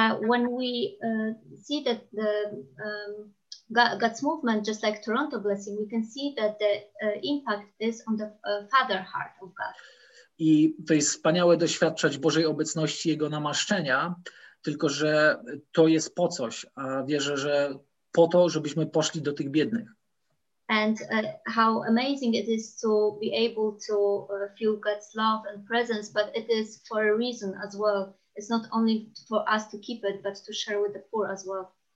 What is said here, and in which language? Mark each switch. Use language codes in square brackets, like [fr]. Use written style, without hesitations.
[en] When we see that the God's movement, just like Toronto Blessing, we can see that the impact is on the father heart of God. [pl] I to jest wspaniałe doświadczać Bożej obecności, Jego namaszczenia, tylko że to jest po coś, a wierzę, że po to, żebyśmy poszli do tych biednych. [en] And how amazing it is to be able to feel God's love and presence, but it is for a reason as well. It's not only for us to keep it, but to share with the poor as well.